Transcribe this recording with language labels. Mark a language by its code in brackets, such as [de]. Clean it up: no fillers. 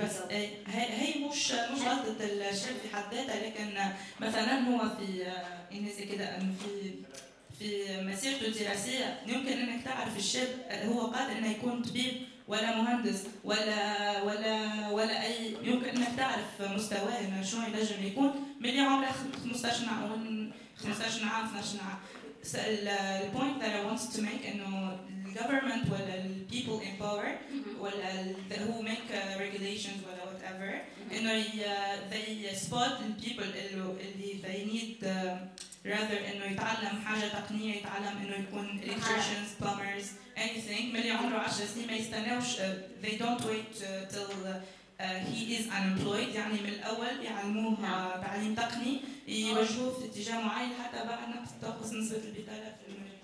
[ar] بس هي مش غلطة الشاب في حد ذاتها، لكن مثلا هو في إنه زي كده في مسيرته الدراسية يمكن إنك تعرف الشاب هو قادر إنه يكون طبيب ولا مهندس ولا ولا ولا أي، يمكن إنك تعرف مستواه إنه شو ينجم يكون من عمره 15 عام 12 عام. [en] The point that I wanted to make is that the government or the people in power or who make regulations or whatever, they spot the people اللي they need rather [ar] إنه يتعلم حاجة تقنية، يتعلم إنه يكون [en] electricians, plumbers, anything. [ar] مليون عمره 10 سنين ما يستناوش. [en] They don't wait till he is unemployed. [ar] يعني من الأول يعلموه تعليم تقني. يوجهوه في اتجاه معين حتى بعد نفس تاخذ نسبة البطالة في المجال.